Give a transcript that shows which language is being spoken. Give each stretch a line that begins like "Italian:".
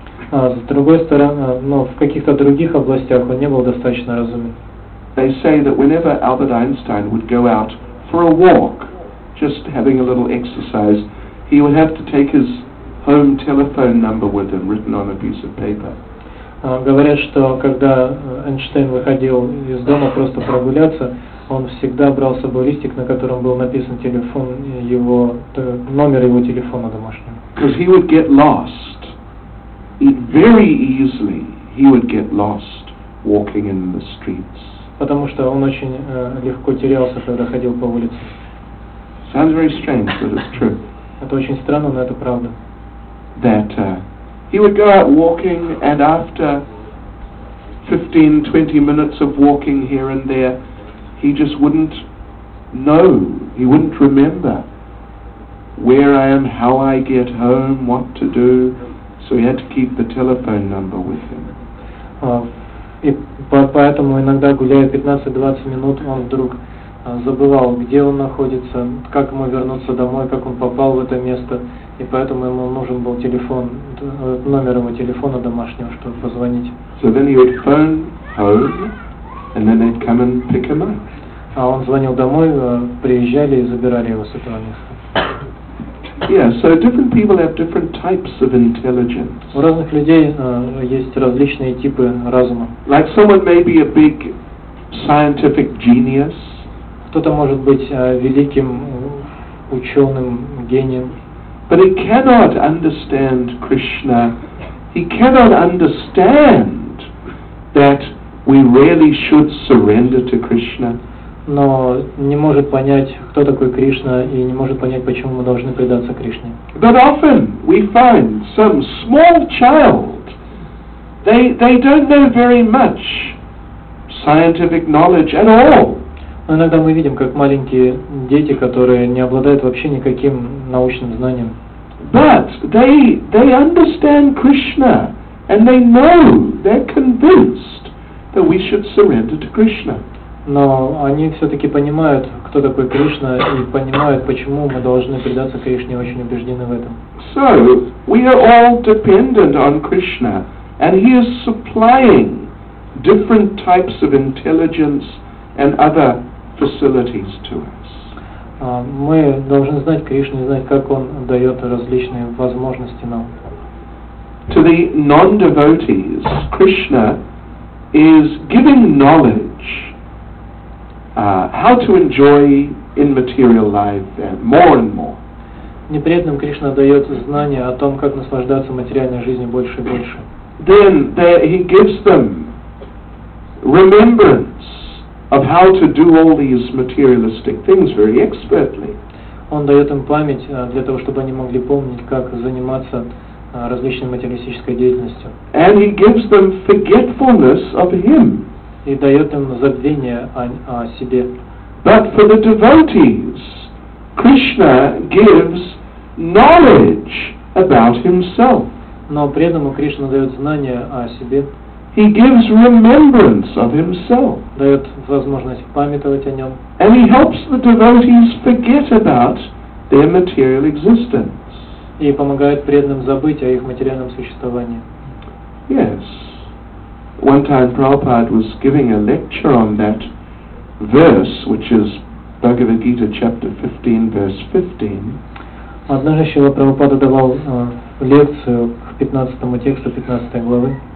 Russian: С другой стороны, но в каких-то других областях он не был достаточно разумен.
English: They say that whenever Albert Einstein would go out for a walk, just having a little exercise, he would have to take his home telephone number with him, written on a piece of paper.
Russian: Говорят, что когда Эйнштейн выходил из дома просто прогуляться, он всегда брал с собой листик, на котором был написан телефон его, номер его телефона домашнего.
English: Because he would get lost. It very easily he would get lost walking in the streets.
Russian: Потому что он очень легко терялся, когда ходил по улице.
English: Sounds very strange, but it's true.
Russian: Это очень странно, но это правда.
English: That he would go out walking, and after 15-20 minutes of walking here and there, he just wouldn't know, he wouldn't remember where I am, how I get home, what to do, so he had to keep the telephone number with him.
Russian: И поэтому иногда гуляя 15-20 минут, он вдруг забывал, где он находится, как ему вернуться домой, как он попал в это место, и поэтому ему нужен был телефон, номер его телефона домашнего, чтобы позвонить.
English: So then he would phone home, and then they'd come and pick him up.
Russian: А он звонил домой, приезжали и забирали его с этого места.
English: Yeah, so different people have different types of intelligence.
Russian: У разных людей есть различные типы разума.
English: Like someone may be a big scientific genius.
Russian: Кто-то может быть великим ученым, гением.
English: But he cannot understand Krishna. He cannot understand that we really should surrender to Krishna.
Russian: Но не может понять, кто такой Кришна, и не может понять, почему мы должны предаться Кришне.
English: But often we find some small child, they don't know very much scientific knowledge at all.
Russian: Но иногда мы видим, как маленькие дети, которые не обладают вообще никаким научным знанием.
English: But they understand Krishna, and they know, they're convinced that we should surrender to Krishna.
Russian: Но они все-таки понимают, кто такой Кришна, и понимают, почему мы должны предаться Кришне, очень убеждены в этом.
English: So we are all dependent on Krishna, and he is supplying different types of intelligence and other facilities to us.
Russian: Мы должны знать Кришну и знать, как он дает различные возможности нам.
English: To the non-devotees, Krishna is giving knowledge how to enjoy in material life more and more.
Russian: Неприятным Кришна дает знания о том, как наслаждаться материальной жизнью больше и больше.
English: Then he gives them remembrance of how to do all these materialistic things very expertly.
Russian: Он дает им память для того, чтобы они могли помнить, как заниматься различной материалистической деятельностью.
English: And he gives them forgetfulness of him.
Russian: И дает им забвение о себе.
English: But for the devotees, Krishna gives knowledge about himself.
Russian: Но преданному Кришна дает знание о себе.
English: He gives remembrance of himself.
Russian: Дает возможность памятовать о нем.
English: And he helps the devotees forget about their material existence.
Russian: И помогает преданным забыть о их материальном существовании.
English: Yes. One time Prabhupada was giving a lecture on that verse, which is Bhagavad Gita chapter 15, verse 15.
Russian: Однажды Шрила Прабхупада давал лекцию к 15 тексту 15 главы.